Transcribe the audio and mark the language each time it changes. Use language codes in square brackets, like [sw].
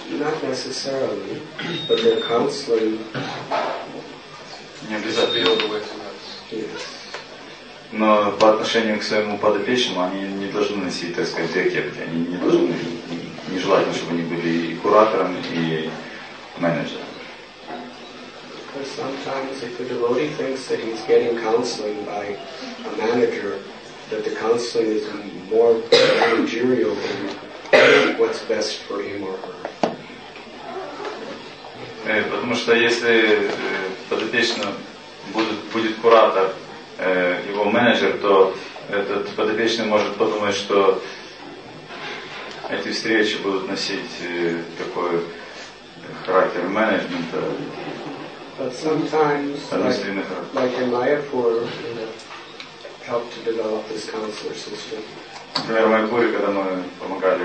[en] Not necessarily, but they're counseling. [ru] Не обязательно. [en] Yes. [ru] Но по отношению к своему подопечному они не должны носить, так сказать, две кепки. Они не должны, нежелательно, чтобы они были и куратором, и менеджером. [en] Because sometimes if a devotee thinks that he's getting counseling by a manager, that the counseling is more managerial than what's best for him or her. [ru] Потому что если подопечный будет куратор, его менеджер, то этот подопечный может подумать, что эти встречи будут носить такой характер менеджмента. [en] But sometimes, like in Mayapur, helped to develop this counselor system. [ru] Например, в Майпуре, когда мы помогали